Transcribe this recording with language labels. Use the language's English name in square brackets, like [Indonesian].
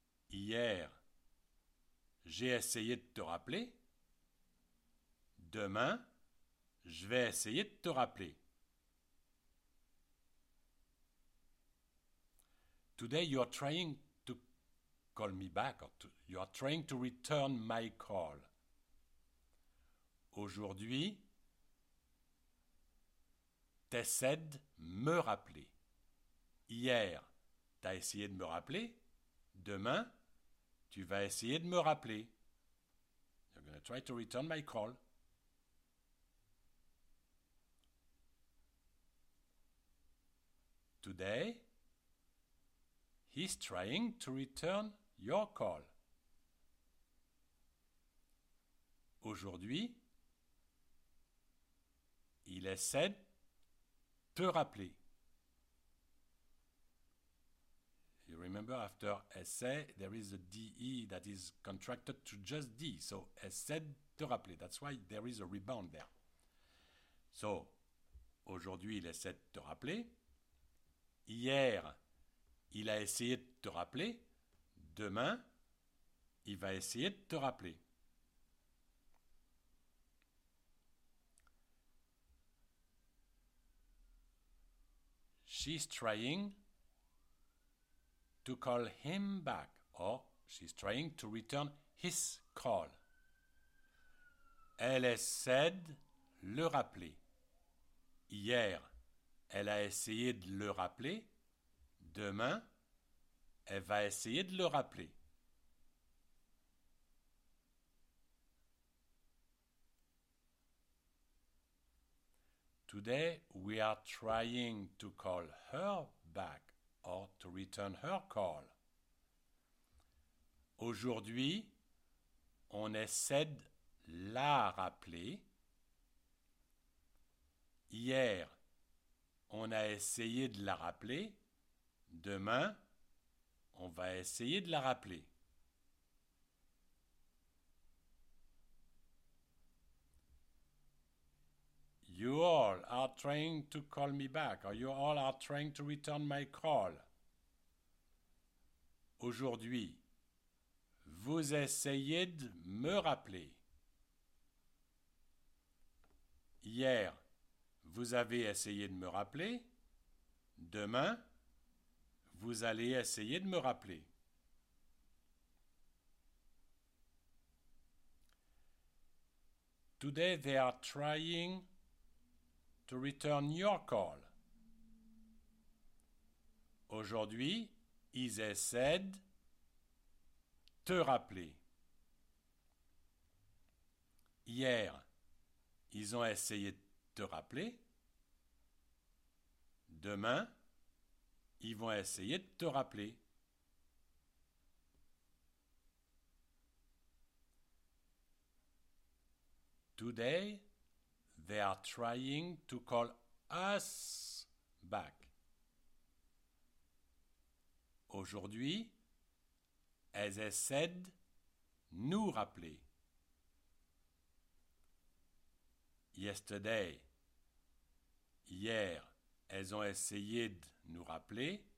[French] Hier, j'ai essayé de te rappeler. Demain, je vais essayer de te rappeler. [English] Today, you're trying to call me back or you are trying to return my call. [French] Aujourd'hui, t'essaies de me rappeler. Hier, t'as essayé de me rappeler. Demain, tu vas essayer de me rappeler. [English] You're going to try to return my call. Today, he's trying to return your call. [French] Aujourd'hui, il essaie de te rappeler. [English] You remember after essay, there is a DE that is contracted to just D. So, [French] essaie de te rappeler. [English] That's why there is a rebound there. [French] So, aujourd'hui, il essaie de te rappeler. Hier, il a essayé de te rappeler. Demain, il va essayer de te rappeler. [English] She's trying to call him back, or she's trying to return his call. [French] Elle essaie de le rappeler. Hier, elle a essayé de le rappeler. Demain, elle va essayer de le rappeler. [English] Today, we are trying to call her back or to return her call. [French] Aujourd'hui, on essaie de la rappeler. Hier, on a essayé de la rappeler. Demain, on va essayer de la rappeler. [English] You all are trying to call me back, or you all are trying to return my call. [French] Aujourd'hui, vous essayez de me rappeler. Hier, vous avez essayé de me rappeler. Demain, vous allez essayer de me rappeler. [English] Today, they are trying to return your call. [French] Aujourd'hui, ils essaient de te rappeler. Hier, ils ont essayé de te rappeler. Demain, ils vont essayer de te rappeler. [English] Today, they are trying to call us back. [French] Aujourd'hui, elles essaient de nous rappeler. [English] Yesterday, [French] hier, elles ont essayé de nous rappeler.